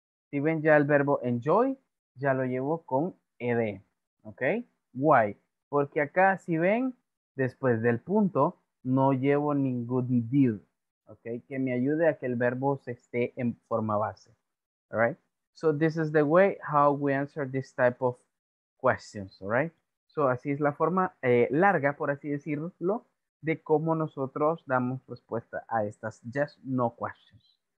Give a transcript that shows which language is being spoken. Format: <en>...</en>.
<es>Si ven ya el verbo enjoy, ya lo llevo con ed, ¿ok? Why? Porque acá, si ven, después del punto, no llevo ningún did, okay, que me ayude a que el verbo se esté en forma base.</es> <en>All right. So this is the way how we answer this type of questions. All right.</en> <es>So así es la forma larga, por así decirlo, de cómo nosotros damos respuesta a estas yes, no questions.</es>